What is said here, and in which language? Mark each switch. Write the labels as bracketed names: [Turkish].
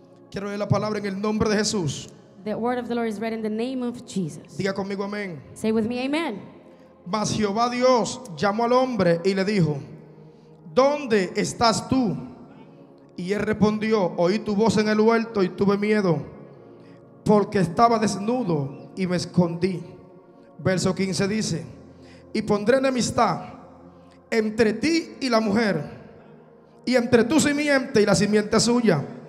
[Spanish] Quiero leer la palabra en el nombre de Jesús. [English] The word of the Lord is read in the name of Jesus. [Spanish] Diga conmigo amén. [English] Say with me amen. [Spanish] Mas Jehová Dios llamó al hombre y le dijo, ¿dónde estás tú? Y él respondió, oí tu voz en el huerto y tuve miedo, porque estaba desnudo y me escondí. Verso 15 dice, y pondré enemistad entre ti y la mujer, y entre tu simiente y la simiente suya.